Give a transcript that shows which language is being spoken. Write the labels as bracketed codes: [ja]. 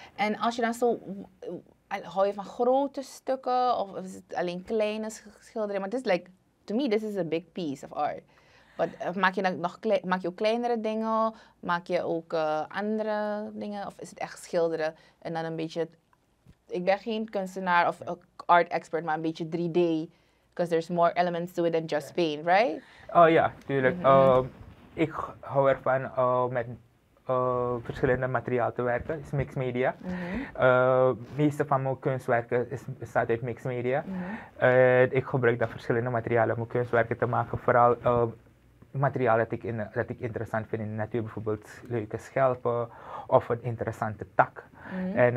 [nl] En als je dan zo, hou je van grote stukken of is het alleen kleine schilderijen? Maar het is [en] like, to me, this is a big piece of art. But, [nl] maak je ook kleinere dingen? Maak je ook andere dingen? Of is het echt schilderen? En dan een beetje, ik ben geen kunstenaar of art expert, maar een beetje 3D. [en] Because there's more elements to it than just paint, right? [nl] Oh ja, tuurlijk. Mm-hmm. Ik hou ervan met verschillende materiaal te werken. Het is mixed media. Mm-hmm. Meeste van mijn kunstwerken bestaat uit mixed media. Mm-hmm. Ik gebruik dan verschillende materialen om mijn kunstwerken te maken. Vooral materiaal dat ik interessant vind in de natuur, bijvoorbeeld leuke schelpen of een interessante tak. Mm-hmm.